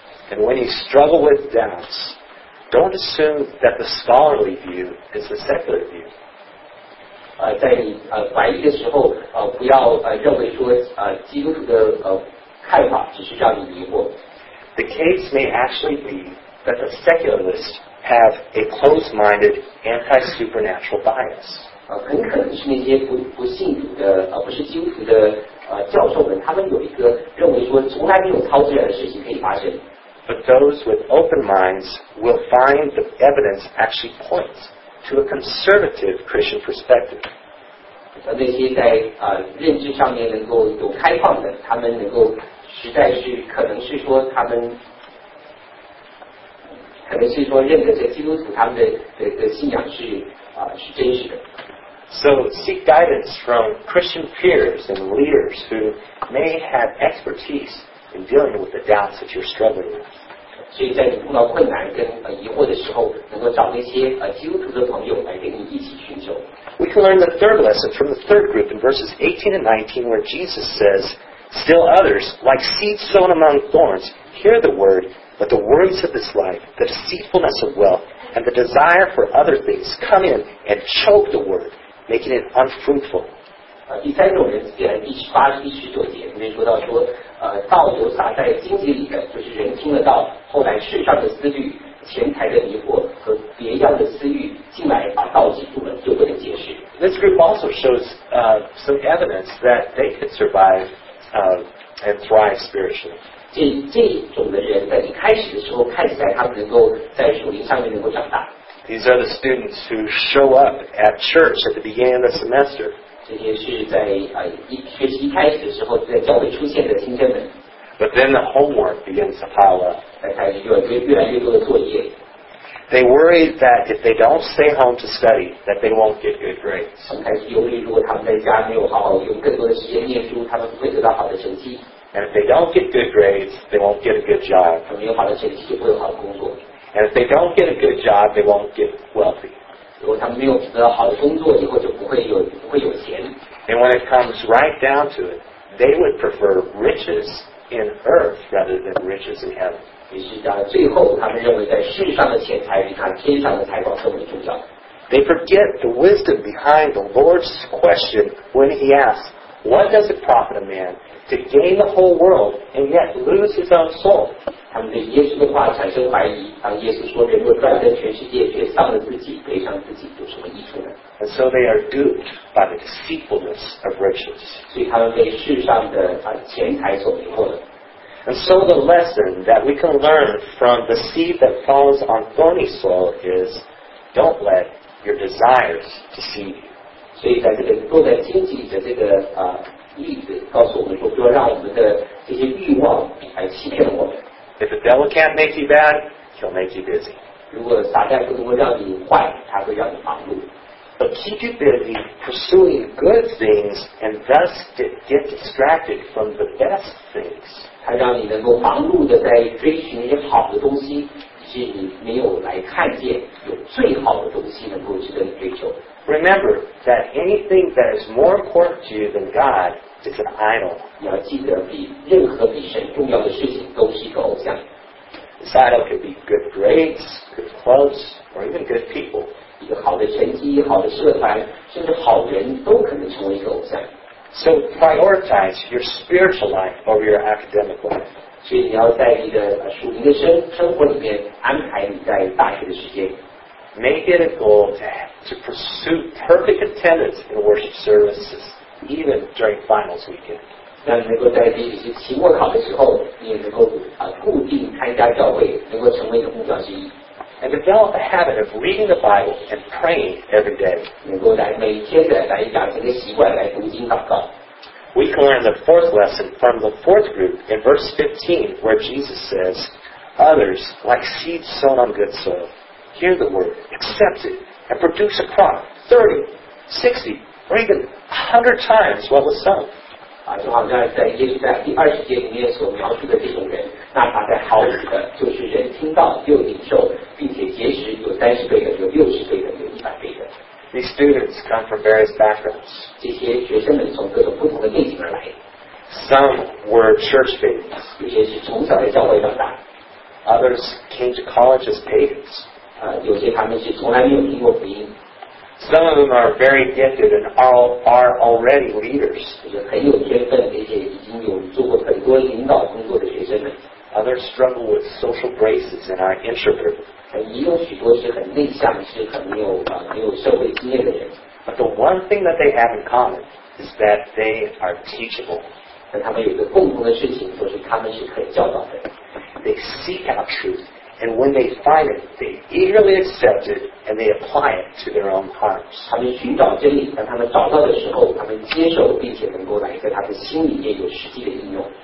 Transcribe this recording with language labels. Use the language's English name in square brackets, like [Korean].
[English] And when you struggle with doubts, don't assume that the scholarly view is the secular view. [Chinese] 在你怀疑的时候，不要认为说基督徒的看法只是让你迷惑。 [English] The case may actually be that the secularists have a closed-minded, anti-supernatural bias. [Chinese] 很可能是那些不信主的不是基督徒的教授们，他们有一个认为说从来没有超自然的事情可以发生。 [English] But those with open minds will find the evidence actually points to a conservative Christian perspective. [Chinese] 那些在认知上面能够有开放的，他们能够实在是可能是说他们可能是说认得这基督徒他们的信仰是真实的。 [English] So seek guidance from Christian peers and leaders who may have expertise. In dealing with the doubts that you're struggling with. [Chinese] 所以在你碰到困难跟疑惑的时候，能够找那些基督徒的朋友来跟你一起寻求。 [English] We can learn the third lesson from the third group in verses 18 and 19, where Jesus says, "Still others, like seeds sown among thorns, hear the word, but the worries of this life, the deceitfulness of wealth, and the desire for other things come in and choke the word, making it unfruitful." [Chinese] 第三种人写了第十八、第十九节，里面说到说。道所撒在荆棘里的，就是人听了道，后来世上的思虑、钱财的迷惑和别样的私欲进来，把道挤住了，就不能结实。 [English] This group also shows some evidence that they could survive and thrive spiritually. [Chinese] 这种的人在一开始的时候，看起来他们能够在属灵上面能够长大。 [English] These are the students who show up at church at the beginning of the semester. [Chinese] 这些是在学习一开始的时候在教会出现的新生们。 [English] But then the homework begins to pile up. [Chinese] 但开始就有越来越多的作业。 [English] They worry that if they don't stay home to study, that they won't get good grades. [Chinese] 开始忧虑如果他们在家没有好好用更多的时间念书，他们不会得到好的成绩。 [English] And if they don't get good grades, they won't get a good job. [Chinese] 他们没有好的成绩就不会有好的工作。 [English] And if they don't get a good job, they won't get wealthy. [Chinese] 如果他们没有得到好的工作，以后就不会有钱。 [English] And when it comes right down to it, they would prefer riches in earth rather than riches in heaven. [Chinese] 于是到最后，他们认为在世上的钱财比他天上的财宝更为重要。 [English] They forget the wisdom behind the Lord's question when he asks, "What does it profit a man to gain the whole world and yet lose his own soul?" [Chinese] 他们对耶稣的话产生怀疑。当耶稣说人若赚得全世界却丧了自己，赔上自己，有什么益处呢？ [English] And so they are duped by the deceitfulness of riches. [Chinese] 所以他们被世上的钱财所迷惑了。 [English] And so the lesson that we can learn from the seed that falls on thorny soil is, don't let your desires deceive you. [Chinese] 所以在这个落在荆棘的这个例子告诉我们说，不要让我们的这些欲望来欺骗我们。 [English] If the devil can't make you bad, he'll make you busy. [Chinese] 如果撒旦不能够让你坏，他会让你忙碌。 [English] But keep you busy pursuing good things and thus get distracted from the best things. [Chinese] 他让你能够忙碌的在追寻一些好的东西，以及你没有来看见有最好的东西能够去跟你追求。 [English] Remember that anything that is more important to you than God is an idol. [Chinese] 你要记得比任何比神重要的事情都是一个偶像。 [English] This idol could be good grades, good clothes, or even good people. [Chinese] 一个好的成绩，好的社团，甚至好人都可能成为一个偶像。 [English] So prioritize your spiritual life over your academic life. [Chinese] 所以你要在你的属灵的生活里面安排你在大学的时间。 [English] Make it a goal to pursue perfect attendance in worship services, even during finals weekend. [Chinese] 让你能够在你是期末考的时候，你也能够固定参加教会，能够成为你的目标之一。 [English] And develop a habit of reading the Bible and praying every day. [Chinese] 能够来每天的来养成一个习惯来读经祷告。 [English] We can learn the fourth lesson from the fourth group in verse 15, where Jesus says, "Others, like seed sown on good soil, hear the word, accept it, and produce a crop 30, 60, or even 100 times what was sown." [Chinese] 啊，就好像在耶稣在第二十节里面所描述的这种人。那他在好几个，就是人听到又领受，并且结识有三十倍的，有六十倍的，有一百倍的。 [English] These students come from various backgrounds. [Chinese] 这些学生们从各种不同的背景而来。 [English] Some were church babies. [Chinese] 有些是从小在教会长大。 [English] Others came to college as pagans. [Chinese] 有些他们是从来没有听过福音。 [English] Some of them are very gifted and are already leaders. [Chinese] 有些很有天分，而且已经有做过很多领导工作的学生们。 [English] Others struggle with social graces and are introverted. [Chinese] 也有许多是很内向，是很没有社会经验的人。 [English] But the one thing that they have in common is that they are teachable. [Chinese] 但他们有一个共同的事情，就是他们是可以教导的。 [English] They seek out truth, and when they find it, they eagerly accept it and they apply it to their own hearts. [Chinese] 他们寻找真理，当他们找到的时候，他们接受并且能够来在他的心里面有实际的应用。